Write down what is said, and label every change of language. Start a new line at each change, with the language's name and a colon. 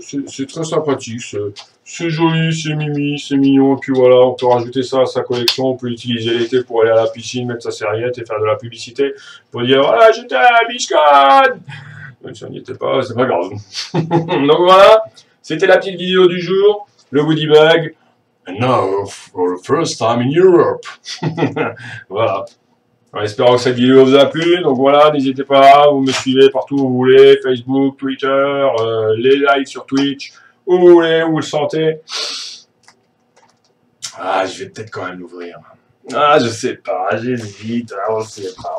French: C'est très sympathique, c'est joli, c'est mimi, c'est mignon. Et puis voilà, on peut rajouter ça à sa collection, on peut l'utiliser l'été pour aller à la piscine, mettre sa serviette et faire de la publicité pour dire voilà, ah, j'étais à Biscone. Même si on n'y était pas, c'est pas grave. Donc voilà, c'était la petite vidéo du jour, le goodie bag.
English: And now, for the first time in Europe.
French: Voilà. En espérant que cette vidéo vous a plu. Donc voilà, n'hésitez pas, vous me suivez partout où vous voulez. Facebook, Twitter, les lives sur Twitch. Où vous voulez, où vous le sentez. Ah, je vais peut-être quand même l'ouvrir. Ah, je sais pas, j'hésite. Ah, on sait pas.